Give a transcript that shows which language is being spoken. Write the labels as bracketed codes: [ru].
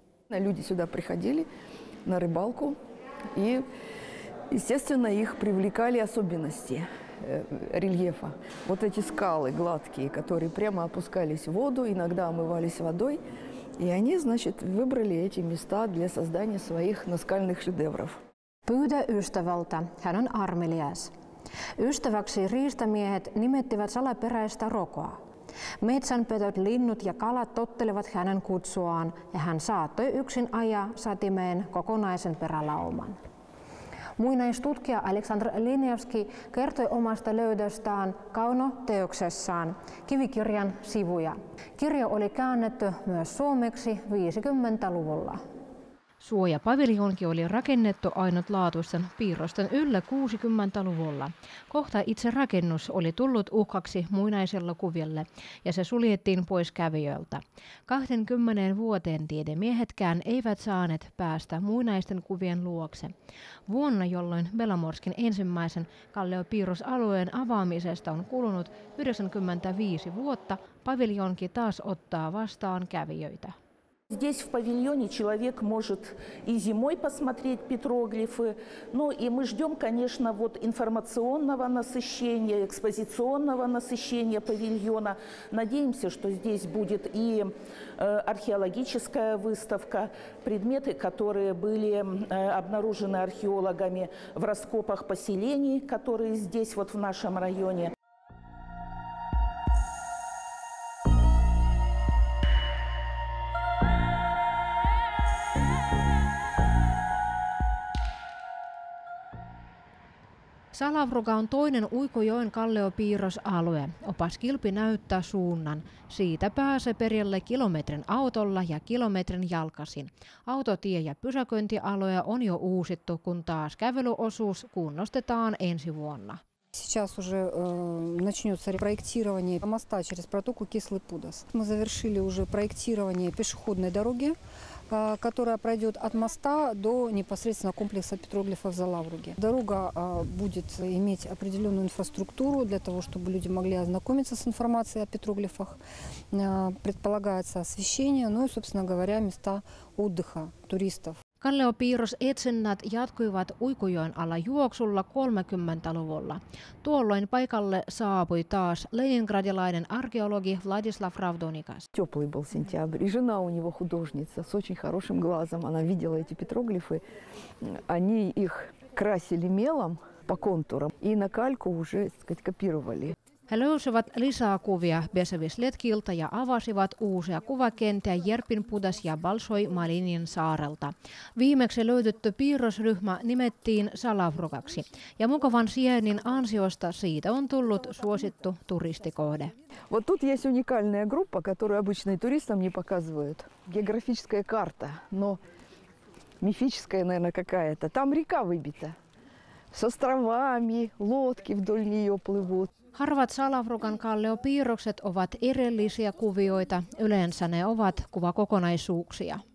[ru] Люди сюда приходили на рыбалку и естественно их привлекали особенности. Рельефа. Вот эти скалы гладкие, которые прямо опускались в воду, иногда омывались водой, и они, значит, выбрали эти места для создания своих наскальных шедевров. [fi] Пыда ystävältä, hän on armelias. Ystäväksi riistamiehet nimettivät salaperäistä rokoa. Metsänpetot, linnut ja kalat tottelevat hänen kutsuaan, ja hän saattoi yksin ajaa satimeen kokonaisen perälauman. Muinaistutkija Aleksandr Liniewski kertoi omasta löydöstään Kauno-teoksessaan kivikirjan sivuja. Kirja oli käännetty myös suomeksi 50-luvulla. Suojapaviljonki oli rakennettu ainutlaatuisten piirrosten yllä 60-luvulla. Kohta itse rakennus oli tullut uhkaksi muinaiselle kuville ja se suljettiin pois kävijöiltä. 20 vuoteen tiedemiehetkään eivät saaneet päästä muinaisten kuvien luokse. Vuonna, jolloin Belomorskin ensimmäisen kalliopiirrosalueen avaamisesta on kulunut 95 vuotta, paviljonki taas ottaa vastaan kävijöitä. [ru] Здесь в павильоне человек может и зимой посмотреть петроглифы. Ну и мы ждем, конечно, вот информационного насыщения, экспозиционного насыщения павильона. Надеемся, что здесь будет и археологическая выставка, предметы, которые были обнаружены археологами в раскопах поселений, которые здесь вот в нашем районе. [fi] Salavruga on toinen Uikojoen kalliopiirrosalue. Opas Kilpi näyttää suunnan. Siitä pääsee perille kilometrin autolla ja kilometrin jalkasin. Autotie- ja pysäköintialue on jo uusittu, kun taas kävelyosuus kunnostetaan ensi vuonna. [ru] Сейчас уже начнется проектирование моста через протоку Кислый Пудас. Мы завершили уже проектирование пешеходной дороги, которая пройдет от моста до непосредственно комплекса петроглифов за Лавруги. Дорога будет иметь определенную инфраструктуру для того, чтобы люди могли ознакомиться с информацией о петроглифах. Предполагается освещение, ну и, собственно говоря, места отдыха туристов. [fi] Kalliopiirrosetsinnät jatkuivat Uikojoen alajuoksulla 30-luvulla. Tuolloin paikalle saapui taas leningradilainen arkeologi Vladislav Ravdonikas. [ru] Теплый был сентябрь. И жена у него художница с очень хорошим глазом. Она видела эти петроглифы. Они их красили мелом по контурам и на кальку уже, так сказать, копировали. [fi] He löysivät lisää kuvia Besevisletkilta ja avasivat uusia kuvakenttiä Järpin Pudas ja Balsoi Malinin saarelta. Viimeksi löydetty piirrosryhmä nimettiin Salavrukaksi. Ja mukavan sienin ansiosta siitä on tullut suosittu turistikohde. [ru] Вот тут есть уникальная группа, которую обычно туристам не показывают. Географическая карта, но мифическая, наверное, какая-то. Там река выбита. С островами, лодки вдоль нее плывут. [fi] Harvat Salavrukan kalliopiirrokset ovat erillisiä kuvioita. Yleensä ne ovat kuvakokonaisuuksia.